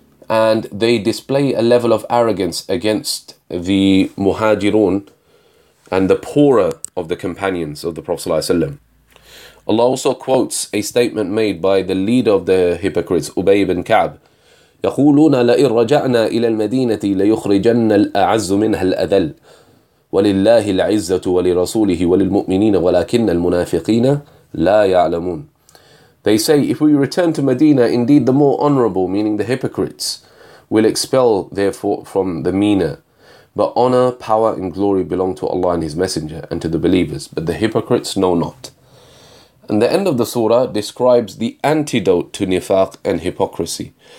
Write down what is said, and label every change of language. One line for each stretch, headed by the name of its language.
English: And they display a level of arrogance against the Muhajirun and the poorer of the companions of the Prophet ﷺ. Allah also quotes a statement made by the leader of the hypocrites, Ubay ibn Ka'b.
Arabic: يقولون لئن رجعنا إلى المدينة ليخرجن الأعز منها الأذل ولله العزة ولرسوله وللمؤمنين ولكن المنافقين لا يعلمون.
English: They say, if we return to Medina, indeed the more honorable, meaning the hypocrites, will expel therefore from the Mina. But honor, power and glory belong to Allah and His Messenger and to the believers, but the hypocrites know not. And the end of the surah describes the antidote to nifaq and hypocrisy.